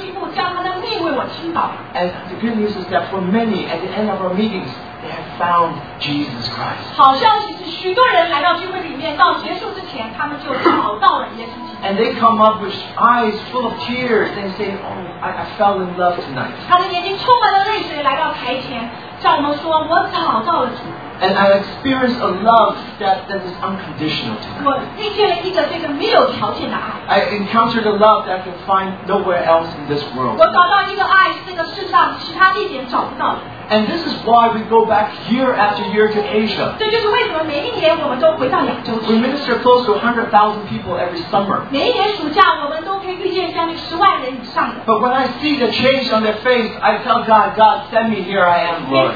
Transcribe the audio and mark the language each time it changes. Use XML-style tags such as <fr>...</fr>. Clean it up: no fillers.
<en>And the good news is that for many, at the end of our meetings, they have found Jesus Christ.</en> <zh>好消息是，许多人来到聚会里面，到结束之前，他们就找到了耶稣基督。</zh> <en>And they come up with eyes full of tears and say, "Oh, I fell in love tonight."</en> <zh>他们眼睛充满了泪水，来到台前，向我们说，我找到了主。</zh> <en>And I experienced a love that is unconditional to me.</en> <zh>我遇见了一个这个没有条件的爱。</zh> <en>I encountered a love that I can find nowhere else in this world.</en> <zh>我找到一个爱是这个世上其他地点找不到的。</zh> <en>And this is why we go back year after year to Asia. We minister close to 100,000 people every summer. But when I see the change on their face, I tell God, God, send me, here I am, Lord.</en>